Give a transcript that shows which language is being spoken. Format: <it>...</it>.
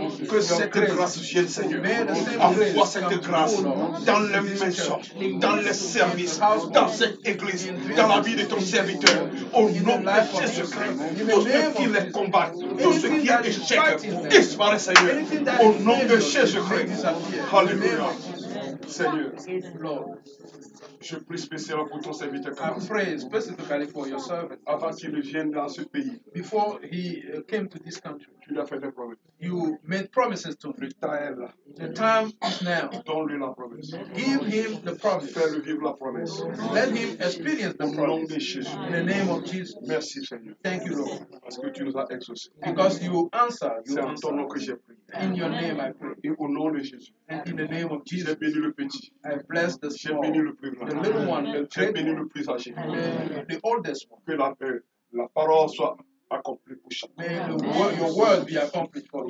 <fr>Que cette grâce vienne, Seigneur. Envoie cette grâce dans les maisons, dans les services, dans cette église, dans la vie de ton serviteur. Au nom de Jésus-Christ, tout ce qui les combat, tout ce qui est échec, disparaît, Seigneur. Au nom de Jésus-Christ. Alléluia. Seigneur, je prie spécialement pour ton serviteur.</fr> <en>I pray specifically for your servant.</en> <fr>Avant qu'il ne vienne dans ce pays.</fr> <en>Before he came to this country.</en> <fr>Tu lui as fait des promesses.</fr> <en>You made promises to him.</en> <fr>Le temps est là.</fr> <en>The time is now.</en> <fr>Donne-lui la promesse.</fr> <en>Give him the promise.</en> <fr>Fais-le vivre la promesse.</fr> <en>Let him experience the promise.</en> <fr>Au nom de Jésus.</fr> <en>In the name of Jesus.</en> <fr>Merci Seigneur.</fr> <en>Thank you Lord.</en> <fr>Parce que tu nous as exaucé.</fr> <en>Because you answer.</en> <fr>C'est en ton nom que j'ai prié.</fr> <en>In your name I pray.</en> <fr>Et au nom de Jésus.</fr> <en>And in the name of Jesus.</en> <fr>J'ai béni le petit.</fr> <en>I bless the small.</en> <fr>J'ai béni le plus grand.</fr> <en>The little one.</en> <fr>J'ai béni le plus âgé.</fr> <en>The oldest one.</en> <fr>Que la parole soit accomplie pour chacun.</fr> <en>May the word, your word be accomplished for</en>